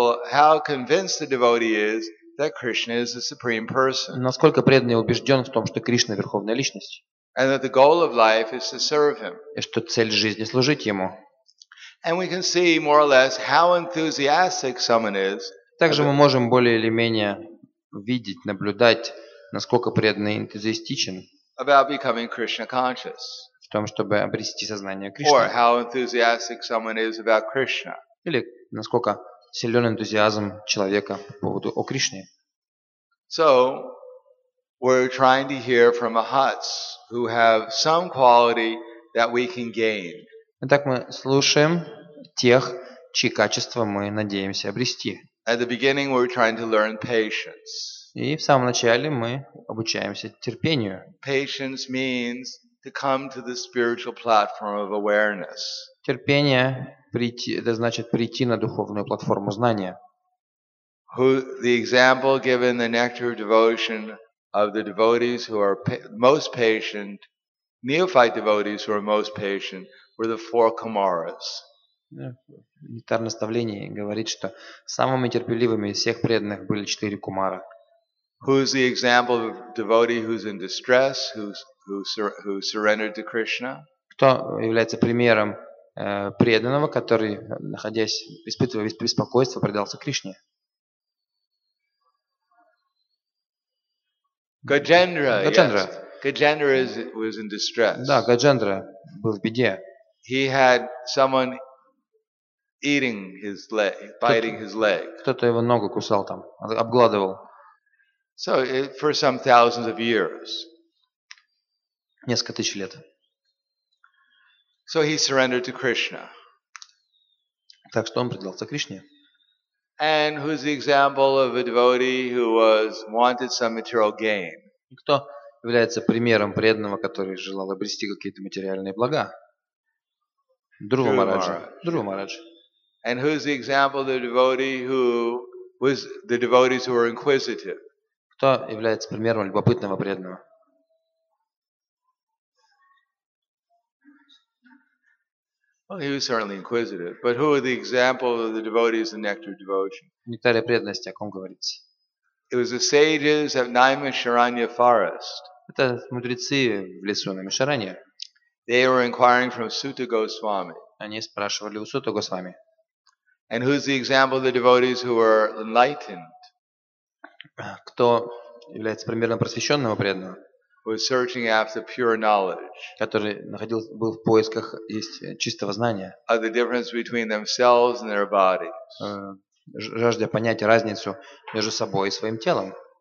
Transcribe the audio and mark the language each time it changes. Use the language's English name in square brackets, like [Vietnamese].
[English] How convinced the devotee is that Krishna is the supreme person. [Russian] Насколько преданный убежден в том, что Кришна верховная личность. [English] And that the goal of life is to serve him. [Russian] И что цель жизни служить ему. [English] And we can see more or less how enthusiastic someone is. [Russian] Также мы можем более или менее видеть, наблюдать, насколько преданный энтузиастичен. [English] About becoming Krishna conscious. [Russian] В том, чтобы обрести сознание Кришны. [English] Or how enthusiastic someone is about Krishna. [Russian] Или насколько силен энтузиазм человека по поводу о Кришне. [English] So, we're trying to hear from mahats who have some quality that we can gain. [Russian] Итак, мы слушаем тех, чьи качества мы надеемся обрести. [English] At the beginning, we're trying to learn patience. [Russian] И в самом начале мы обучаемся терпению. [English] Patience means to come to the spiritual platform of awareness. [Russian] Терпение прийти, это значит прийти на духовную платформу знания. [English] Who the example given the nectar of devotion of the devotees who are most patient, neophyte devotees who are most patient, were the four Kumaras. [Russian] Нектар наставления говорит, что самыми терпеливыми из всех преданных были четыре кумара. [English] Who's the example of a devotee who's in distress, who surrendered to Krishna? [Russian] Кто является примером преданного, который, находясь, испытывая беспокойство, предался Кришне? [English] Gajendra. Yes. Gajendra was in distress. [Russian] Да, Gajendra был в беде. [English] He had someone eating his leg, biting his leg. [Russian] Кто-то его ногу кусал там, обгладывал. [English] So for some thousands of years. [Russian] Несколько тысяч лет. [English] So he surrendered to Krishna. [Russian] Так что он предался Кришне. [English] And who's the example of a devotee who was wanted some material gain? [Russian] Кто является примером преданного, который желал обрести какие-то материальные блага? Друва Мараджа. Друва Мараджа. [English] And who's the example of the devotee who was the devotees who were inquisitive? [Russian] Кто является примером любопытного преданного? [English] Well, he was certainly inquisitive. But who are the example of the devotees in Nectar Devotion? [Russian] Нектария преданности, о ком говорится? [English] It was the sages of Naimisharanya Forest. [Russian] Это мудрецы в лесу Наймишаранья. [English] They were inquiring from Suta Goswami. [Russian] Они спрашивали у Сута Госвами. [English] And who's the example of the devotees who were enlightened? [Russian] Кто является примером просвещенного преданного? [English] Was searching after pure knowledge. [Russian] Который находился был в поисках есть чистого знания. [English] Of the difference between themselves and their bodies. [Russian] Жаждя понять разницу между собой и своим телом.